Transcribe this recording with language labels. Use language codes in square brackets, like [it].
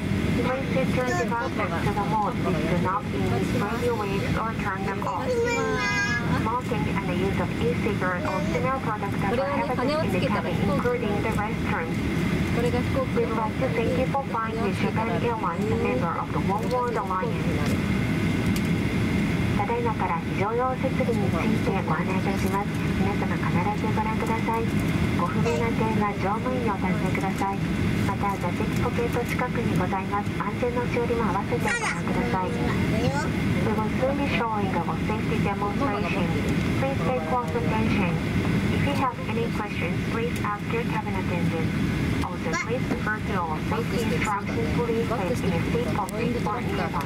[en] Please sit your devices to the mode which do not emit radio waves or turn them off. Smoking and the use of e-cigarette or similar products that are prohibited in the cabin, including the restrooms. We would like to thank you for flying with Japan Airlines, a member of the One World Alliance. [ja] ただいまから非常用設備についてご案内いたします。皆様必ずご覧ください。ご不明な点は乗務員にお尋ねください。また座席ポケット近くにございます安全の調理も合わせてご覧ください。 [en] We will soon be showing our safety demonstration. Please pay close attention. If you have any questions, please ask your cabin attendant. Also, please refer to our safety instructions for the seat pocket or nearby.